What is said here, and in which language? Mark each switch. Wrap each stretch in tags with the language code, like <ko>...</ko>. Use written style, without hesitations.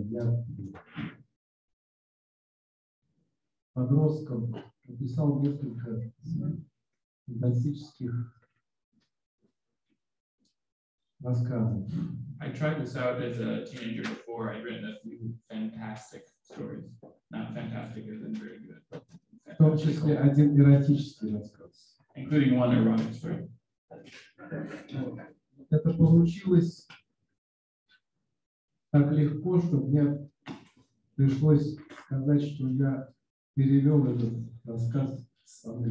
<ru>Я подростком написал несколько фантастических рассказов.</ru> <en>I tried this out as a teenager before. I'd written a few fantastic stories. Not fantastic, as in very good.</en> <ru>В том числе один эротический рассказ.</ru> <en>Including one erotic story.</en> <ru>Это получилось так легко, что мне пришлось сказать, что я перевел этот рассказ с</ru>